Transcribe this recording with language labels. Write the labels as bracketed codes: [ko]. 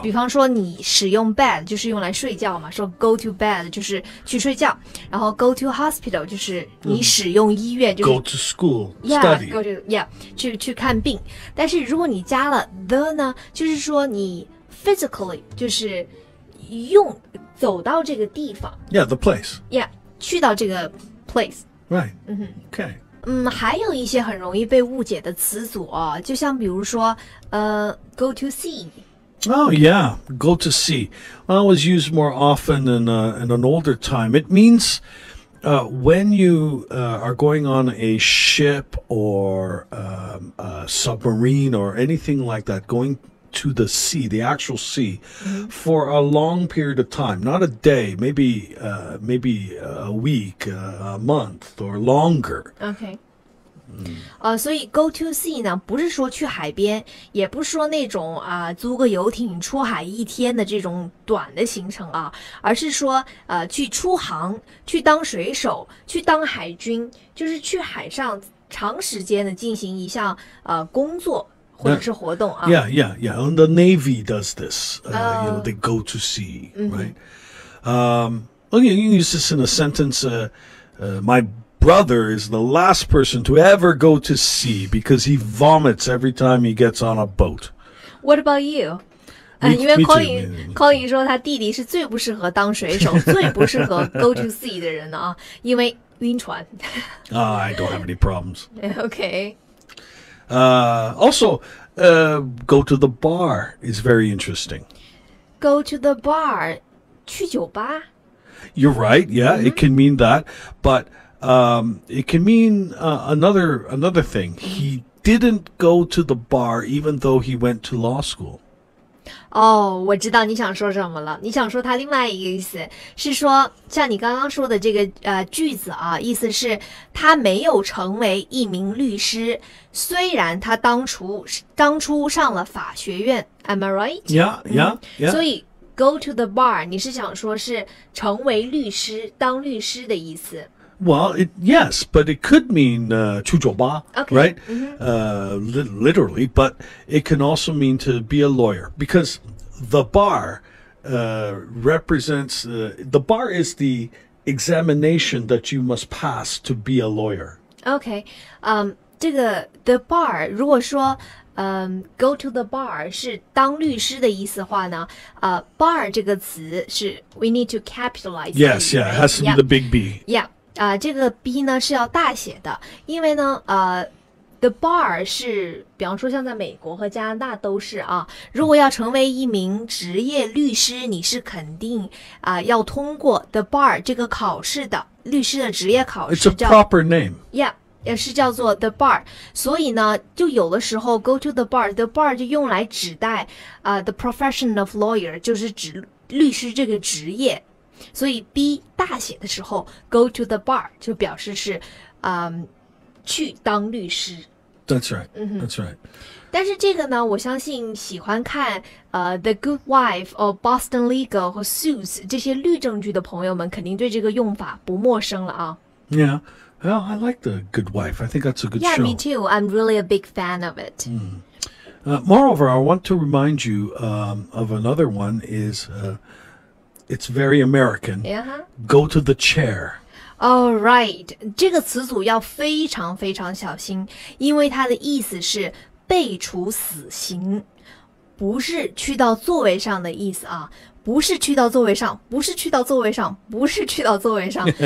[zh] 比方说你使用 bed 就是用来睡觉嘛说 go to bed 就是去睡觉然后 go to hospital 就是你使用医院、就是、 [en] go to school study yeah, go to, yeah, [zh] 去看病但是如果你加了 the 呢就是说你 physically 就是用走到这个地方 [en] yeah the place [zh] yeah 去到这个 place [en] right、mm-hmm. okay [zh] 还有一些很容易被误解的词组、哦、就像比如说go to sea. [en] Oh, yeah, go to sea. Well, it was used more often in an older time. It means when you are going on a ship or a submarine or anything like that, going to the sea, the actual sea, for a long period of time, not a day, maybe a week, a month, or longer. Okay. [zh] 所以 go to sea 呢不是说去海边也不是说那种租个游艇出海一天的这种短的行程啊而是说去出航去当水手去当海军就是去海上长时间的进行一项工作或者是活动啊 [en] Yeah, yeah, yeah, and the Navy does this, you know, they go to sea, right? Okay, you can use this in a sentence, my brother is the last person to ever go to sea because he vomits every time he gets on a boat. What about you? [zh] 因为 Colin 说他弟弟是最不适合当水手最不适合 go to sea 的人的啊，因为晕船。 [en] I don't have any problems. Okay. Also, go to the bar is very interesting. Go to the bar, 去酒吧。 You're right, yeah,、mm-hmm. it can mean that, but、it can mean、another thing. He didn't go to the bar even though he went to law school. [zh] 哦、oh, 我知道你想说什么了。你想说他另外一个意思是说像你刚刚说的这个句子啊，意思是他没有成为一名律师，虽然他当初上了法学院。 [en] Am I right? Yeah. [zh] 所以 go to the bar, 你是想说是成为律师当律师的意思。 [en] Well, yes, but it could mean [zh] 去酒吧, [en] right? Literally, but it can also mean to be a lawyer. Because the bar represents, the bar is the examination that you must pass to be a lawyer. [zh] Okay, 这个 the bar, 如果说go to the bar 是当律师的意思的话呢bar 这个词是 [en] we need to capitalize. Yes, yeah, it has to be the big B. Yeah. [zh] 这个 B 呢是要大写的，因为呢the bar 是比方说像在美国和加拿大都是啊，如果要成为一名职业律师，你是肯定要通过 the bar 这个考试的，律师的职业考试 [en] 叫 It's a proper name. Yeah. [zh] 也是叫做 the bar, 所以呢就有的时候 go to the bar 就用来指代 [en] the profession of lawyer, [zh] 就是指律师这个职业。所以 B 大写的时候 go to the bar 就表示是去当律师。 [en] That's right, that's right. [zh] 但是这个呢我相信喜欢看The Good Wife or Boston Legal 和 Suits 这些律政剧的朋友们肯定对这个用法不陌生了啊。 [en] Yeah, well, I like The Good Wife. I think that's a good yeah, show. Yeah, me too. I'm really a big fan of it. Moreover, I want to remind you of another one is It's very American. Yeah. Go to the chair. All right. [zh] 这个词组要非常非常小心，因为它的意思是被处死刑，不是去到座位上的意思啊，不是去到座位上，不是去到座位上，不是去到座位上。